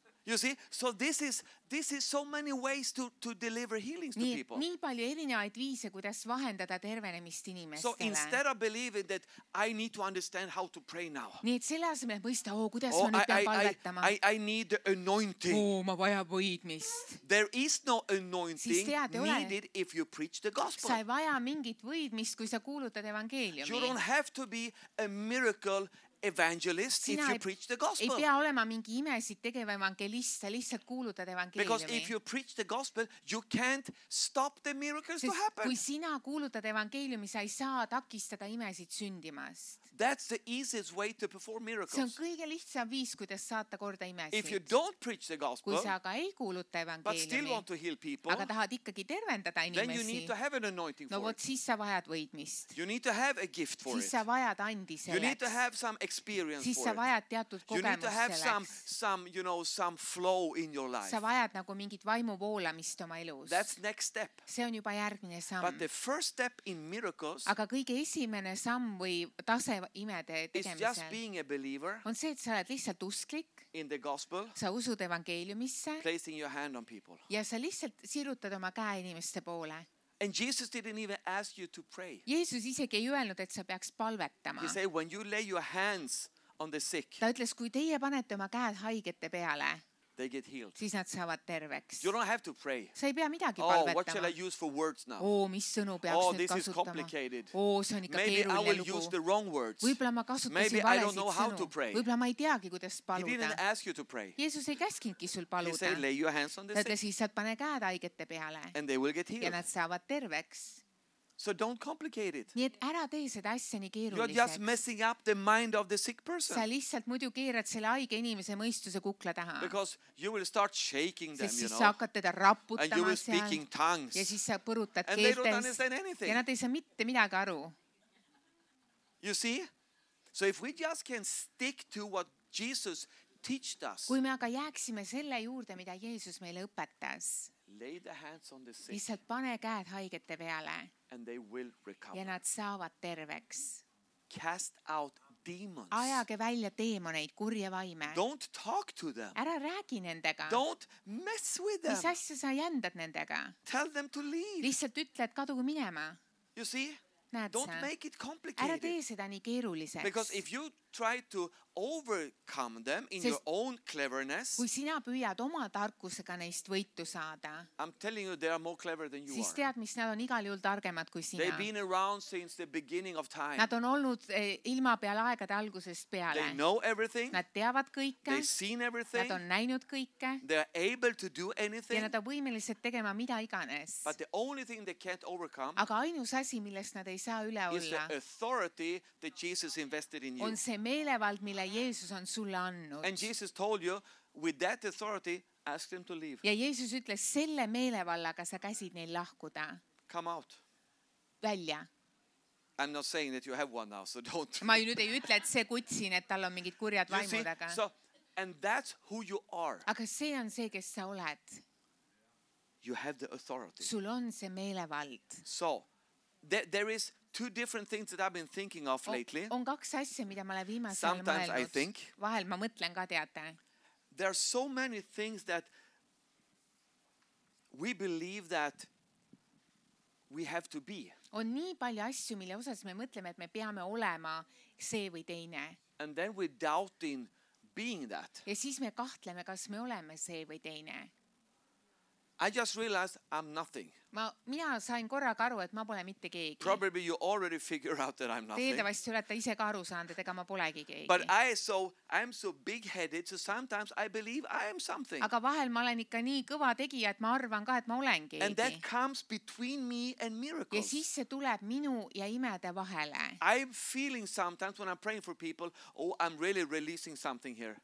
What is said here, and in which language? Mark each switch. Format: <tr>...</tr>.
<en>You see, so this is so many ways to deliver healings</en> <et>nii,</et> <en>to people.</en> <et>Nii palju erinevaid viise, kuidas vahendada tervenemist inimestele.</et> <en>So instead of believing that I need to understand how to pray now.</en> <et>Nii, et selle asemel mõista, kuidas ma nüüd pean palvetama.</et> <en>I need the anointing.</en> <et>Oh, ma vajab võidmist.</et> <en>There is no anointing</en> <et>tead,</et> <en>needed if you preach the gospel.</en> <et>Sa ei vaja mingit võidmist, kui sa kuulutad evangeeliumi.</et> <en>You don't have to be a miracle evangelist</en> <et>Sina</et> <en>if you preach the gospel.</en> <et>Ei pea olema mingi imesid tegeva evangelist, sa lihtsalt kuulutad evangeeliumi.</et> <en>Because if you preach the gospel, you can't stop the miracles to happen.</en> <et>Kui sina kuulutad evangeeliumi, sa ei saa takistada imesid sündimast.</et> <en>That's the easiest way to perform miracles.</en> <et>See on kõige lihtsam viis, kuidas saata korda imesid.</et> <en>If you don't preach the gospel,</en> <et>kui sa aga ei kuuluta evangeeliumi,</et> <en>but still want to heal people,</en> <et>aga tahad ikkagi tervendada inimesi,</et> <en>then you need to have an anointing for it.</en> <et>No, siis sa vajad võidmist.</et> <en>You need to have a gift for it.</en> <et>Siis sa vajad andi selleks.</et> <en>You need to have some experience for it. You need to have some flow in your life.</en> <et>Sa vajad nagu mingit vaimu voolamist oma elus.</et> <en>That's next step.</en> <et>See on juba järgmine samm.</et> <en>But the first step in miracles,</en> <et>aga kõige esimene samm või tase imede tegemisel,</et> <en>is just being a believer.</en> <et>On see, et sa oled lihtsalt usklik.</et> <en>In the gospel.</en> <et>Sa usud evangeeliumisse.</et> <en>Placing your hand on people.</en> <et>Ja sa lihtsalt sirutad oma käe inimeste poole.</et> <en>And Jesus didn't even ask you to pray.</en> <et>Jeesus isegi ei öelnud, et sa peaks palvetama.</et> <en>He said, when you lay your hands on the sick,</en> <et>ta ütles, kui teie panete oma käed haigete peale,</et> <en>they get healed.</en> <et>Siis nad saavad terveks.</et> <en>You don't have to pray.</en> <et>Sa ei pea midagi oh, palvetama.</et> <en>Oh, what shall I use for words now?</en> <et>Oh, mis sõnu peaks oh, nüüd</et> <en>this</en> <et>kasutama?</et> <en>Is complicated.</en> <et>Oh, see on ikka</et> <en>maybe</en> <et>keeruline</et> <en>I will</en> <et>lugu.</et> <en>Use the wrong words.</en> <et>Võibolla ma kasutasin</et> <en>maybe</en> <et>valesid</et> <en>I don't know</en> <et>sõnu.</et> <en>How to pray.</en> <et>Võibolla ma ei teagi, kuidas paluda.</et> <en>He didn't ask you to pray.</en> <et>Jeesus ei käskinudki sul paluda.</et> <en>He said, lay your hands on the sick.</en> <et>Ta siis saad pane käed haigete peale.</et> <en>And they will get healed.</en> <et>Ja nad saavad terveks.</et> <en>So don't complicate it.</en> <et>Nii et ära tee seda asja nii keeruliseks.</et> <en>You're just messing up the mind of the sick person.</en> <et>Sa lihtsalt muidu keerad selle haige inimese mõistuse kukla taha.</et> <en>Because you will start shaking them,</en> <et>sest</et> <en>you know.</en> <et>Sest sa hakkad teda raputama seal.</et> <en>And you will speaking tongues.</en> <et>Ja siis sa põrutad</et> <en>and</en> <et>keeltes.</et> <en>They don't understand anything.</en> <et>Ja nad ei saa mitte midagi aru.</et> <en>You see? So if we just can stick to what Jesus taught us.</en> <et>Kui me aga jääksime selle juurde, mida Jeesus meile õpetas.</et> <en>Lay the hands on the sick.</en> <et>Lihtsalt pane käed haigete peale.</et> <en>And they will recover.</en> <et>Ja nad saavad terveks.</et> <en>Cast out demons.</en> <et>Ajage välja teemoneid, kurje vaime.</et> <en>Don't talk to them.</en> <et>Ära räägi nendega.</et> <en>Don't mess with them.</en> <et>Mis asja sa jändad nendega?</et> <en>Tell them to leave.</en> <et>Lihtsalt ütle, et kadugu minema.</et> <en>You see? Don't make it complicated.</en> <et>Ära tee seda nii keeruliseks.</et> <en>Because if you try to overcome them in your own cleverness,</en> <et>kui sina püüad oma tarkusega neist võitu saada,</et> <en>I'm telling you, they are more clever than you</en> <et>siis</et> <en>are.</en> <et>Siis tead, mis nad on igal juhul targemad kui sina.</et> <en>They've been around since the beginning of time.</en> <et>Nad on olnud ilma peal aegade algusest peale.</et> <en>They know everything.</en> <et>Nad teavad kõike.</et> <en>They've seen everything.</en> <et>Nad on näinud kõike.</et> <en>They are able to do anything.</en> <et>Ja nad on võimelised tegema mida iganes.</et> <en>But the only thing they can't overcome,</en> <et>aga ainus asi, millest nad ei saa üle olla,</et> <en>is the authority that Jesus invested in you.</en> <et>On see meelevald, mille Jeesus on sulle annud.</et> <en>And Jesus told you, with that authority, ask them to leave.</en> <et>Ja Jeesus ütles, selle meelevallaga sa käsid neil lahkuda.</et> <en>Come out.</en> <et>Välja.</et> <en>I'm not saying that you have one now, so don't.</en> <et>Ma ju nüüd ei ütle, et see kutsin, et tal on mingid kurjad vaimud aga.</et> <en>So, and that's who you are.</en> <et>Aga see on see, kes sa oled.</et> <en>You have the authority.</en> <et>Sul on see meelevald.</et> <en>So, there is two different things that I've been thinking of lately.</en> <et>On kaks asja, mida ma olen viimasel</et> <en>sometimes</en> <et>mõelnud.</et> <en>I think.</en> <et>Vahel ma mõtlen ka teate.</et> <en>There are so many things that we believe that we have to be.</en> <et>On nii palju asju, mille osas me mõtleme, et me peame olema see või teine.</et> <en>And then we doubt in being that.</en> <et>Ja siis me kahtleme, kas me oleme see või teine.</et> <en>I just realized I'm nothing.</en> <et>Mina sain korraga aru, et ma pole mitte keegi.</et> <en>Probably you already figure out that I'm nothing.</en> <et>Teedavasti olete ise ka aru saanud, et ega ma polegi keegi.</et> <en>But I'm so big-headed, so sometimes I believe I am something.</en> <et>Aga vahel ma olen ikka nii kõva tegija, et ma arvan ka, et ma olen keegi.</et> <en>And that comes between me and miracles.</en> <et>Ja siis see tuleb minu ja imede vahele.</et> <en>I'm feeling sometimes when I'm praying for people, oh, I'm really releasing something here.</en>